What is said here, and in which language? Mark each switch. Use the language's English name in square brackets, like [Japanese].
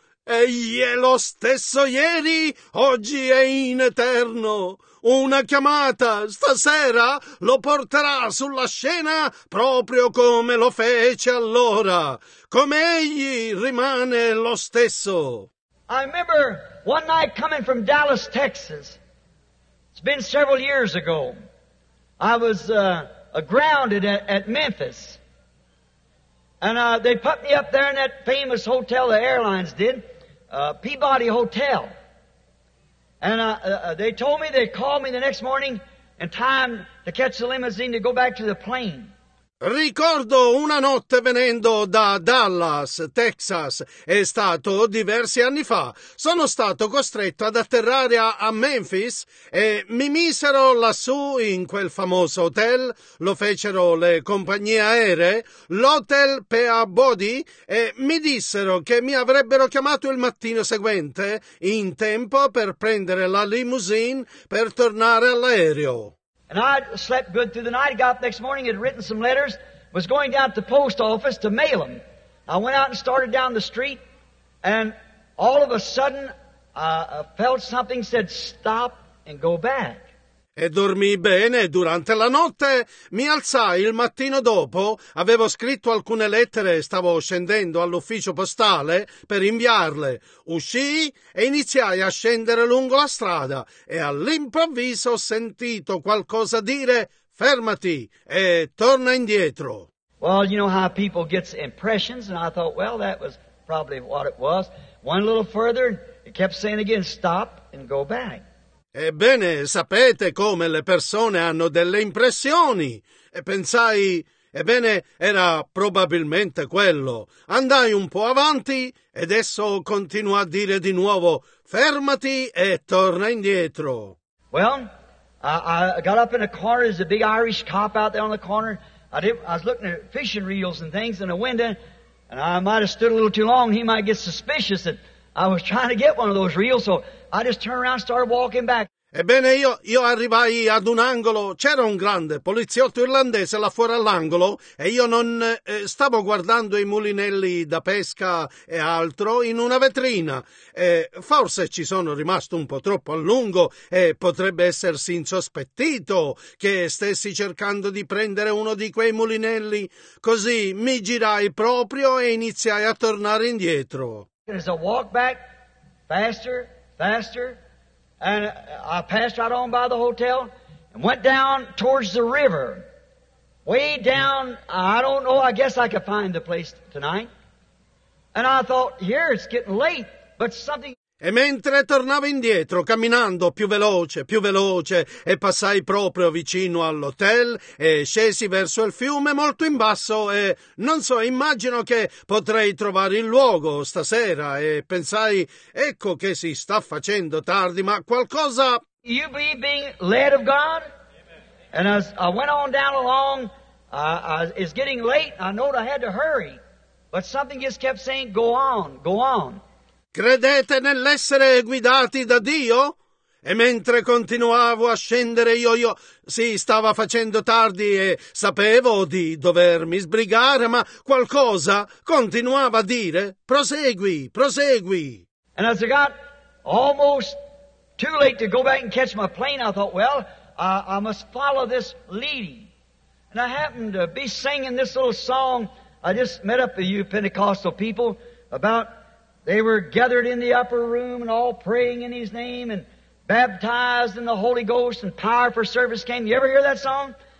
[Italian] Egli è lo stesso ieri, oggi e in eterno. Una chiamata stasera lo porterà sulla scena proprio come lo fece allora. Come egli rimane lo stesso. [English] I remember one night coming from Dallas, Texas. It's been several years ago. I was grounded at Memphis. And they put me up there in that famous hotel the airlines did. Peabody Hotel. And they told me, they called me the next morning in time to catch the limousine to go back to the plane. [Italian] Ricordo una notte venendo da Dallas, Texas. È stato diversi anni fa. Sono stato costretto ad atterrare a Memphis e mi misero lassù in quel famoso hotel. Lo fecero le compagnie aeree, l'Hotel Peabody, e mi dissero che mi avrebbero chiamato il mattino seguente in tempo per prendere la limousine per tornare all'aereo. [English] And I slept good through the night. I got up the next morning, had written some letters, was going down to the post office to mail them. I went out and started down the street, and all of a sudden, I felt something said, stop and go back. [Italian] E dormì bene durante la notte. Mi alzai il mattino dopo, avevo scritto alcune lettere e stavo scendendo all'ufficio postale per inviarle. Uscii e iniziai a scendere lungo la strada e all'improvviso ho sentito qualcosa dire fermati e torna indietro. [English] Well, you know how people get impressions, and I thought, well, that was probably what it was. One little further, it kept saying again, stop and go back. [Italian] Ebbene, sapete come le persone hanno delle impressioni? E pensai, ebbene, era probabilmente quello. Andai un po' avanti ed esso continuò a dire di nuovo, fermati e torna indietro. [English] Well, I got up in a corner, there's a big Irish cop out there on the corner. I was looking at fishing reels and things in a window, and I might have stood a little too long, he might get suspicious that I was trying to get one of those reels, so I just turned around and started walking back. [Italian] Ebbene, io arrivai ad un angolo, c'era un grande poliziotto irlandese là fuori all'angolo e io non stavo guardando i mulinelli da pesca e altro in una vetrina. Forse ci sono rimasto un po' troppo a lungo e potrebbe essersi insospettito che stessi cercando di prendere uno di quei mulinelli. Così mi girai proprio e iniziai a tornare indietro. [English] There's a walk back, faster, faster. And I passed right on by the hotel and went down towards the river. Way down, I don't know, I guess I could find the place tonight. And I thought, here, it's getting late, but something... [Italian] E mentre tornavo indietro, camminando più veloce, e passai proprio vicino all'hotel e scesi verso il fiume molto in basso e, non so, immagino che potrei trovare il luogo stasera e pensai, ecco che si sta facendo tardi, ma qualcosa... [English] You be being led of God? And as I went on down along, it's getting late, I know I had to hurry, but something just kept saying, go on, go on. [Italian] Credete nell'essere guidati da Dio? E mentre continuavo a scendere io sì, stava facendo tardi e sapevo di dovermi sbrigare, ma qualcosa continuava a dire: prosegui, prosegui. [English] And as I got almost too late to go back and catch my plane, I thought, well, I must follow this leading. And I happened to be singing this little song. I just met up with you Pentecostal people about. They were gathered in the upper room and all praying in His name and baptized in the Holy Ghost and power for service came. You ever hear that song?